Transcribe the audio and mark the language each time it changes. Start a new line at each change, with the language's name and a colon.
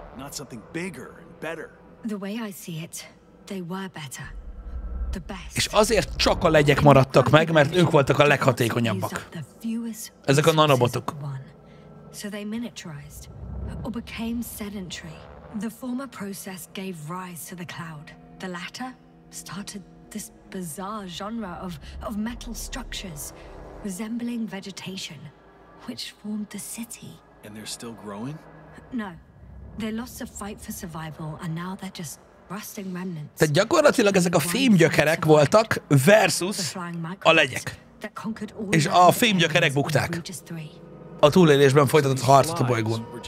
English: Something bigger and better. The way I see it, they were better. The best.
Hungarian: És azért csak a legyek maradtak meg, mert ők voltak a leghatékonyabbak. Ezek a nanobotok.
English: So they miniaturized or became sedentary. The former process gave rise to the cloud. The latter started this bizarre genre of metal structures resembling vegetation, which formed the city. And they're still growing? No. They lost the fight for survival, and now they're just rusting remnants.
Hungarian: Tehát gyakorlatilag ezek a fémgyökerek voltak versus a legyek. És a fémgyökerek bukták. A túlélésben folytatott harcot a bolygón.